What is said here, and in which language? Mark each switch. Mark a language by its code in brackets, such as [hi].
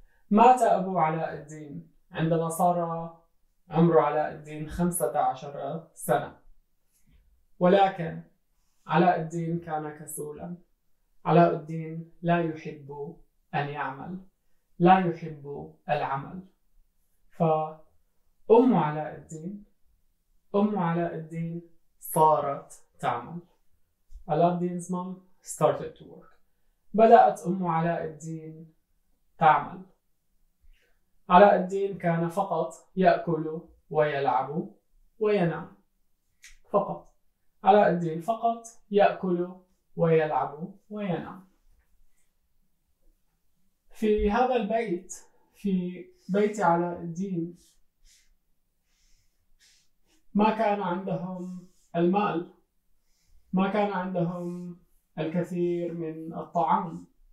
[ar] مات أبو علاء الدين عندما صار عمره علاء الدين 15 سنة، ولكن علاء الدين كان كسولا، علاء الدين لا يحب أن يعمل، لا يحب العمل. فأم علاء الدين، أم علاء الدين صارت تعمل. [en] علاء الدين's mom started to work. [ar] بدأت أم علاء الدين تعمل. علاء الدين كان فقط يأكل ويلعب وينام فقط. علاء الدين فقط يأكل ويلعب وينام. في هذا البيت، في بيت علاء الدين، ما كان عندهم المال، ما كان عندهم الكثير من الطعام.